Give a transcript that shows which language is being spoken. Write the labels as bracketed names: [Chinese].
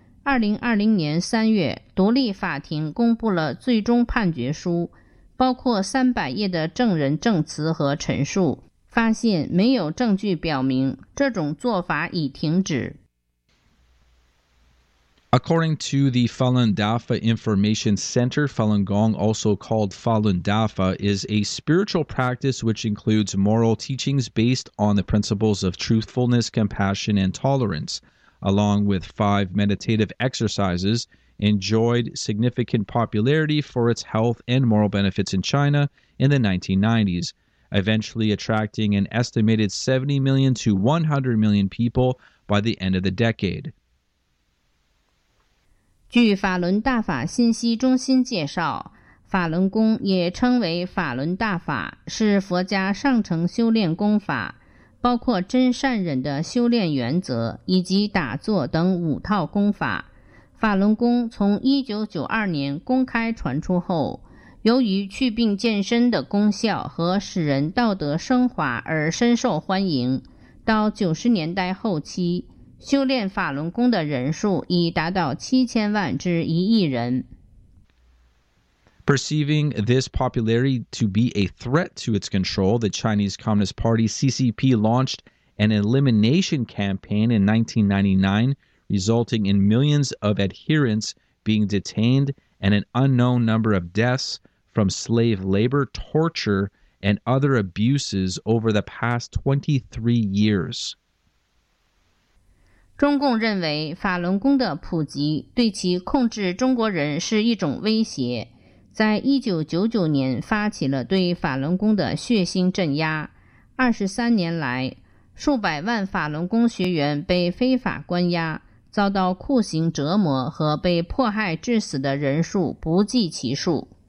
[Chinese] 2020年3月，独立法庭公布了最终判决书，包括300页的证人证词和陈述。发现没有证据表明这种做法已停止。 [English] According to the Falun Dafa Information Center, Falun Gong, also called Falun Dafa, is a spiritual practice which includes moral teachings based on the principles of truthfulness, compassion, and tolerance, along with 5 meditative exercises, enjoyed significant popularity for its health and moral benefits in China in the 1990s. Eventually attracting an estimated 70 million to 100 million people by the end of the decade. [Chinese] 据法轮大法信息中心介绍，法轮功也称为法轮大法，是佛家上乘修炼功法，包括真善忍的修炼原则以及打坐等五套功法。法轮功从1992年公开传出后，由于祛病健身的功效和使人道德升华而深受欢迎，到90年代后期，修炼法轮功的人数已达到7000万至1亿人。 [English] Perceiving this popularity to be a threat to its control, the Chinese Communist Party CCP launched an elimination campaign in 1999, resulting in millions of adherents being detained and an unknown number of deaths. From slave labor, torture, and other abuses over the past 23 years. [Chinese] 中共认为法轮功的普及对其控制中国人是一种威胁，在1999年发起了对法轮功的血腥镇压。 23年来，数百万法轮功学员被非法关押，遭到酷刑折磨和被迫害致死的人数不计其数。